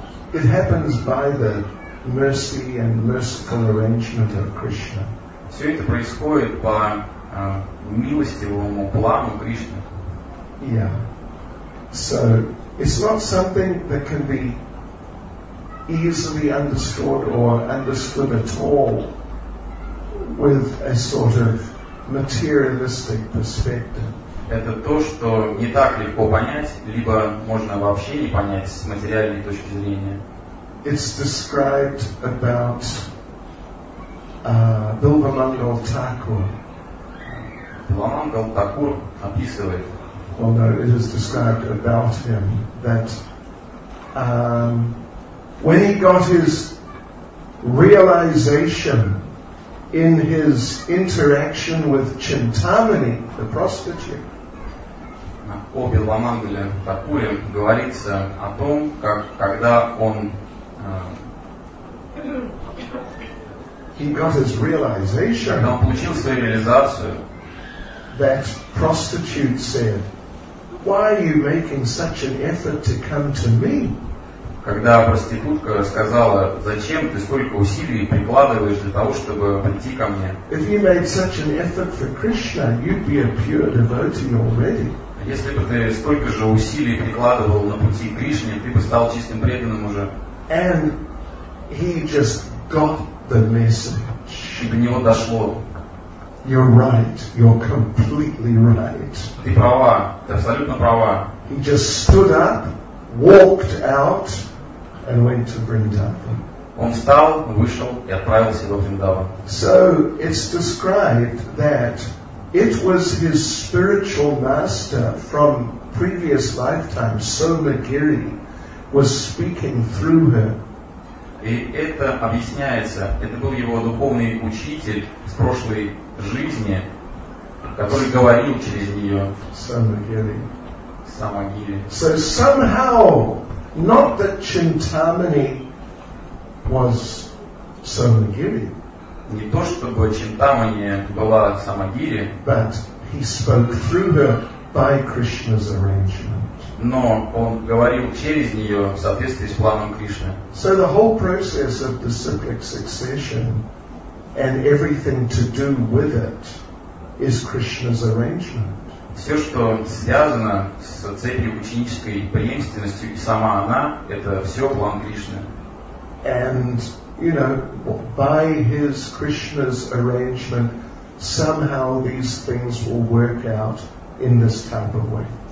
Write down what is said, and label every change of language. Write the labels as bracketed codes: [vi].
[en] It happens by the mercy and merciful arrangement of Krishna. [ru] Все это происходит по милостивому плану Кришны. [en] Yeah. So it's not something that can be easily understood or understood at all with a sort of materialistic perspective. [ru] Это то, что не так легко понять, либо можно вообще не понять с материальной точки зрения. [en] It's described about Bilvamangal Thakur. [ru] Bilvamangal Thakur описывает. [en] Although it is described about him that when he got his realization in his interaction with Chintamani, the prostitute. [ru] О Бхилламангале Такуре говорится о том, как когда он [en] he got his realization. [ru] Он получил свою реализацию. [en] That prostitute said, why are you making such an effort to come to me? [ru] Когда проститутка сказала, зачем ты столько усилий прикладываешь для того, чтобы прийти ко мне? [en] If you made such an effort for Krishna, you'd be a pure devotee already. [ru] Если бы ты столько же усилий прикладывал на пути к Кришне, ты бы стал чистым преданным уже. [en] And he just got the message. [ru] И до него дошло. [en] You're right. You're completely right. [ru] Ты права. Ты абсолютно права. [en] He just stood up, walked out, and went to Vrindavan. [ru] Он встал, вышел и отправился во Вриндаван. [en] So it's described that it was his spiritual master from previous lifetime, Somagiri, was speaking through her. [ru] И это объясняется, это был его духовный учитель с прошлой жизни, который говорил через нее. [en] Самагири. So somehow, not that Chintamani was Samagiri. [ru] Не то чтобы Чинтамани была Самагири, [en] but he spoke through her by Krishna's arrangement. [ru] Но он говорил через нее в соответствии с планом Кришны. [en] So the whole process of the cyclic succession and everything to do with it is Krishna's arrangement. [ru] Все, что связано с цепью ученической преемственностью и сама она, это все план Кришны. [en] And, you know, by his Krishna's arrangement, somehow these things will work out in this type of way.